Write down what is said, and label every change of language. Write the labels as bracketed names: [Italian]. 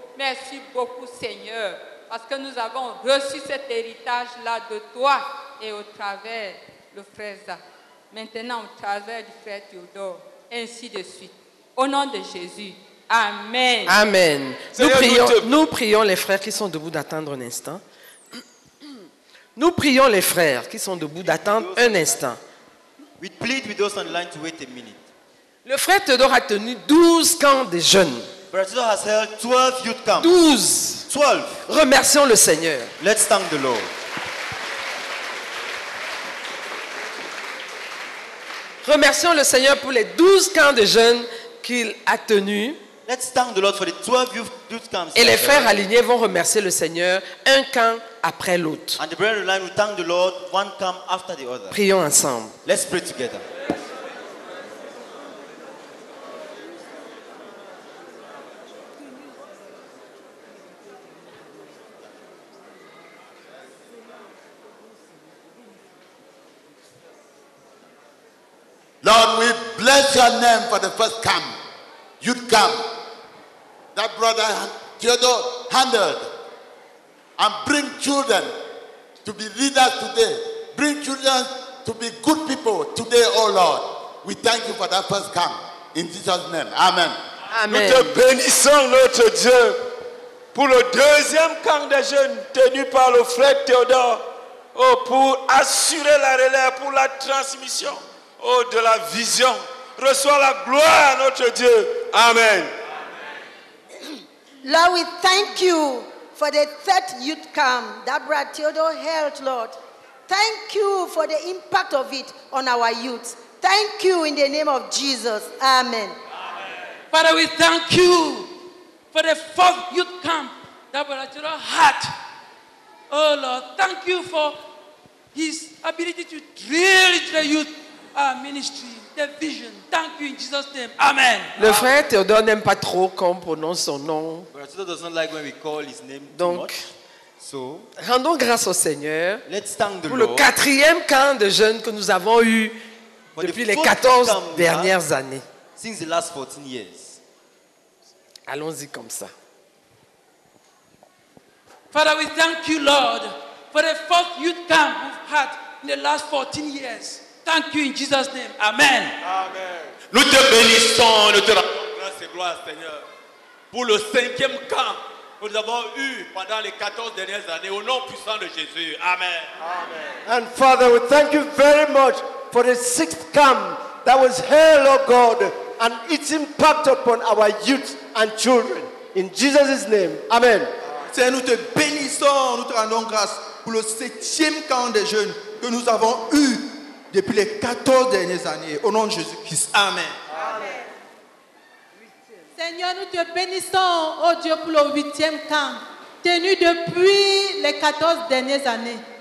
[French] Merci beaucoup, Seigneur, parce que nous avons reçu cet héritage-là de toi et au travers le frère Zach. Maintenant, au travers du frère Théodore, ainsi de suite. Au nom de Jésus, amen. Amen. Nous prions, les frères qui sont debout d'attendre un instant. Nous prions les frères qui sont debout d'attendre un instant. [English] We plead with those online to wait a minute. [French] Le frère Théodore a tenu 12 camps de jeûnes. [English] Brazil has held 12 youth camps. 12. 12. [French] Remercions le Seigneur. [English] Let's thank the Lord. [French] Remercions le Seigneur pour les 12 camps de jeûne qu'il a tenus. [English] Let's thank the Lord for the 12 youth camps. [French] Et les frères alignés vont remercier le Seigneur un camp après l'autre. [English] And the brethren aligned will thank the Lord one camp after the other. [French] Prions ensemble. [English] Let's pray together. Lord, we bless your name for the first camp, youth camp, that brother Theodore handled, and bring children to be leaders today. Bring children to be good people today, oh Lord. We thank you for that first camp, in Jesus' name. Amen. Amen. [French] Nous te bénissons, notre Dieu, pour le deuxième camp des jeunes tenu par le frère Théodore, oh, pour assurer la relève, pour la transmission. Oh, de la vision. Reçois la gloire, notre Dieu. Amen. [English] Lord, we thank you for the third youth camp that brought Theodore health, Lord. Thank you for the impact of it on our youth. Thank you in the name of Jesus. Amen. Father, we thank you for the fourth youth camp that was at your heart. Oh Lord, thank you for his ability to drill into the youth ministry, the vision. Thank you in Jesus' name. Amen. [French] Le frère Théodore n'aime pas trop qu'on prononce son nom. [English] Brother doesn't like when we call his name [French] donc, [English] too much. [French] So, rendons grâce au Seigneur [English] let's thank the [French] pour [English] Lord [French] le quatrième camp de jeunes que nous avons eu depuis les 14 dernières années. [English] Since the last 14 years. [French] Allons-y comme ça. [English] Father, we thank you, Lord, for the fourth youth camp we've had in the last 14 years. Thank you in Jesus' name. Amen. Amen. [French] Nous te bénissons, nous te rendons grâce et gloire, Seigneur, pour le cinquième camp que nous avons eu pendant les 14 dernières années, au nom puissant de Jésus. Amen. Amen. [English] And Father, we thank you very much for the sixth camp that was held, oh God, and its impact upon our youth and children. In Jesus' name. Amen. [French] Seigneur, nous te bénissons, nous te rendons grâce pour le septième camp des jeunes que nous avons eu depuis les 14 dernières années. Au nom de Jésus-Christ. Amen. Amen. Seigneur, nous te bénissons, oh Dieu, pour le huitième camp tenu depuis les 14 dernières années.